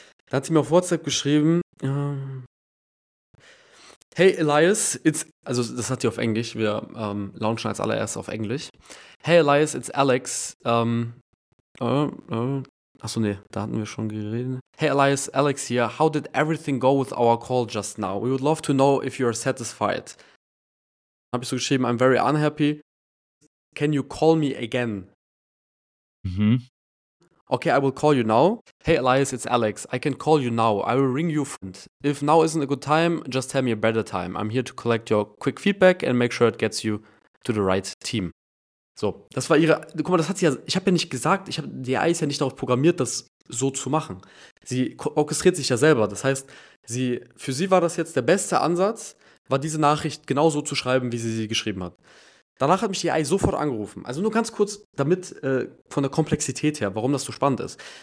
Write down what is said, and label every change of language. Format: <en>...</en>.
<de>Da hat sie mir auf WhatsApp geschrieben, hey Elias, also das hat sie auf Englisch, wir launchen als allererstes auf Englisch.</de> <en>Hey Elias, it's Alex.</en> <de>Da hatten wir schon geredet.</de> <en>Hey Elias, Alex here. How did everything go with our call just now? We would love to know if you are satisfied.</en> <de>Habe ich so geschrieben,</de> <en>I'm very unhappy. Can you call me again? Okay, I will call you now. Hey Elias, it's Alex. I can call you now. I will ring you. If now isn't a good time, just tell me a better time. I'm here to collect your quick feedback and make sure it gets you to the right team.</en> <de>So, das war ihre, guck mal, das hat sie ja, ich habe ja nicht gesagt, ich hab, die AI ist ja nicht darauf programmiert, das so zu machen. Sie orchestriert sich ja selber. Das heißt, sie, für sie war das jetzt der beste Ansatz, war diese Nachricht genau so zu schreiben, wie sie sie geschrieben hat. Danach hat mich die AI sofort angerufen. Also nur ganz kurz, damit von der Komplexität her, warum das so spannend ist.</de>